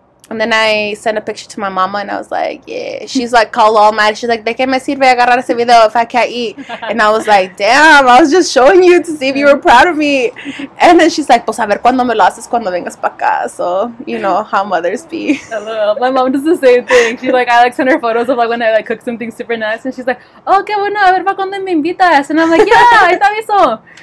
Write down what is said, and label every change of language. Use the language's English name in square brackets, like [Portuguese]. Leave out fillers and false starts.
[English] And then I sent a picture to my mama, and I was like, yeah. She's like, call all mad. She's like, [Spanish] ¿de qué me sirve agarrar ese video [English] if I can't eat? And I was like, damn, I was just showing you to see if you were proud of me. And then she's like, [Spanish] pues a ver cuando me lo haces cuando vengas pa' acá. [English] So, you know, how mothers be. Hello. My mom does the same thing. She's like, I like send her photos of like when I like cook something super nice. And she's like, oh, [Spanish] qué bueno, a ver pa' cuando me invitas. [English] And I'm like, yeah, [Spanish] ahí está mi [English] son.